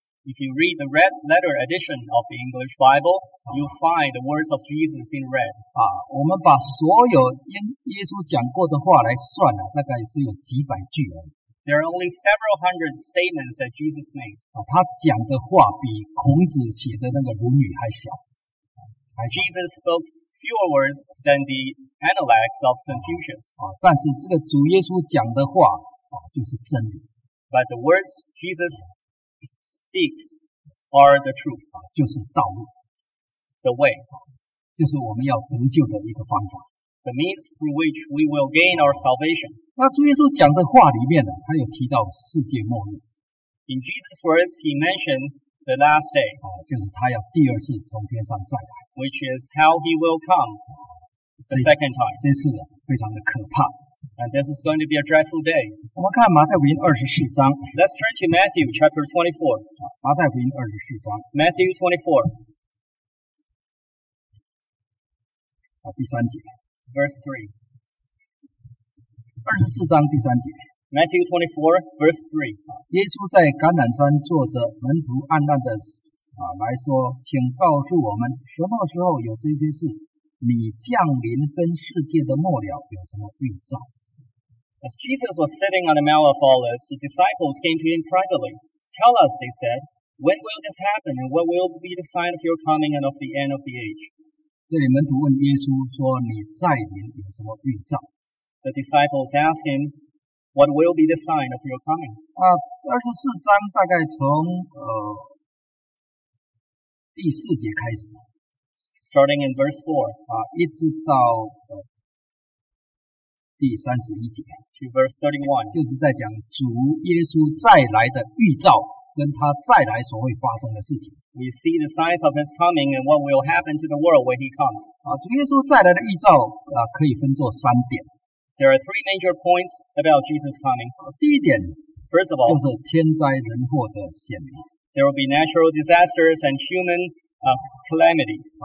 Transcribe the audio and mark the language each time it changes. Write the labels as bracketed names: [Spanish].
[English] If you read the red letter edition of the English Bible, you'll find the words of Jesus in red. [Chinese] 我们把所有耶稣讲过的话来算大概只有几百句而已。 [English] There are only several hundred statements that Jesus made. [Chinese] 他讲的话比孔子写的那个《论语》还小。 [English] Jesus spoke fewer words than the Analects of Confucius. [Chinese] 但是这个主耶稣讲的话就是真理。 [English] But the words Jesus speaks are the truth. [Chinese] 就是道路。 [English] The way. [Chinese] 就是我们要得救的一个方法。 [English] The means through which we will gain our salvation. [Chinese] 那主耶稣讲的话里面呢，他有提到世界末日。 [English] In Jesus' words, he mentioned the last day. [Chinese] 就是他要第二次从天上再来。 [English] Which is how he will come the second time. [Chinese] 这次非常的可怕。 [English] And this is going to be a dreadful day. [Chinese] 我们看马太福音二十四章。 [English] Let's turn to Matthew chapter 24. [Chinese] 马太福音二十四章。 [English] Matthew 24. [Chinese] 第三节。 [English] Verse [Chinese] 3. 24章第三节。 [English] Matthew 24, verse 3. [Chinese] 耶稣在橄榄山坐着，门徒暗暗的来说，请告诉我们，什么时候有这些事？你降临跟世界的末了有什么预兆？ [English] As Jesus was sitting on the Mount of Olives, the disciples came to him privately. Tell us, they said, when will this happen, and what will be the sign of your coming and of the end of the age? [Chinese] 这里门徒问耶稣说，你再临有什么预兆？ [English] The disciples asked him, what will be the sign of your coming? [Chinese] 24章大概从第四节开始。 [English] Starting in verse 4. [Chinese] 一直到第三十一节。 [English] To verse 31. [Chinese] 就是在讲主耶稣再来的预兆跟他再来所会发生的事情。 [English] We see the signs of his coming and what will happen to the world when he comes. [Chinese] 主耶稣再来的预兆可以分作三点。 [English] There are three major points about Jesus coming. [Chinese] 第一点。 [English] First of all. [Chinese] 就是天灾人祸的显明。 [English] There will be natural disasters and human calamities.